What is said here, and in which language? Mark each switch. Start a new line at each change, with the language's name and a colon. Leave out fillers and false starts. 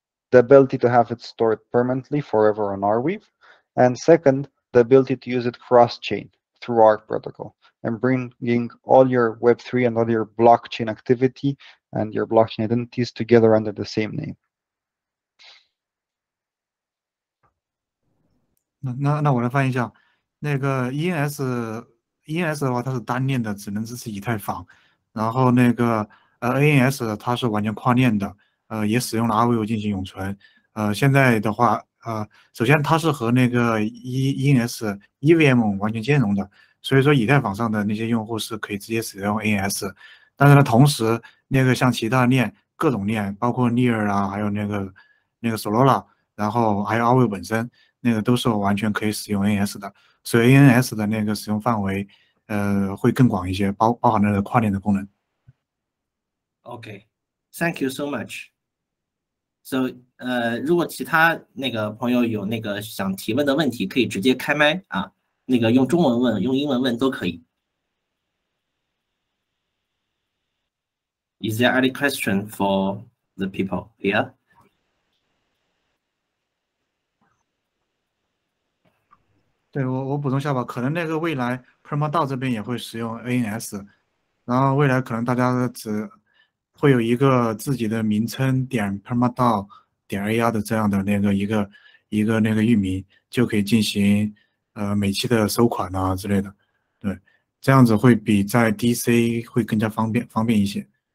English: The ability to have it stored permanently forever on Arweave. And second, the ability to use it cross-chain through ARC protocol. And bringing all your Web3 and all your blockchain activity and your blockchain identities together under the same name.
Chinese: 那我来翻译一下，那个 ENS 的话，它是单链的，只能支持以太坊。然后那个ANS 它是完全跨链的，也使用了 Arweave 进行永存。现在的话，首先它是和那个 ENS EVM 完全兼容的。所以说以太坊上的那些用户是可以直接使用 ANS， 但是呢同时那个像其他链各种链包括 Near 啊还有那个 Solana， 然后还有 Arweave 本身那个都是完全可以使用 ANS 的，所以 ANS 的那个使用范围会更广一些，包含那个跨链的功能。
English: Okay, thank you so much.
Chinese: So 如果其他那个朋友有那个想提问的问题可以直接开麦啊，那个用中文问用英文问都可以。
English: Is there any question for the people here?
Chinese: Yeah? 我补充一下吧，可能那个未来 PermaDAO 这边也会使用 ANS， 然后未来可能大家只会有一个自己的名称点 PermaDAO 点 AR 的这样的那个一个那个域名就可以进行每期的收款啊之类的，对，这样子会比在 DC 会更加方便一些。